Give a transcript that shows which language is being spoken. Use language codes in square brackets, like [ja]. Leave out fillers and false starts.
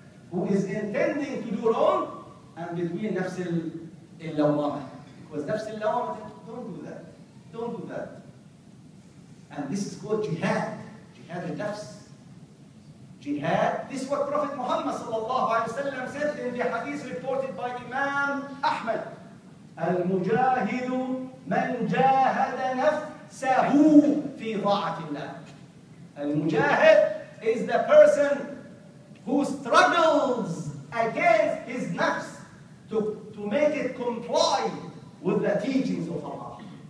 [en] who is intending to do wrong and between نفس اللوامة. Because نفس اللوامة, don't do that. Don't do that. And this is called jihad. Jihad al-nafs. Jihad. This is what Prophet Muhammad sallallahu alayhi wa sallam said in the hadith reported by Imam Ahmad. [ar] المجاهد من جاهد نفسه في طاعة الله. [en] المجاهد is the person who struggles against his nafs to make it comply with the teachings of Allah.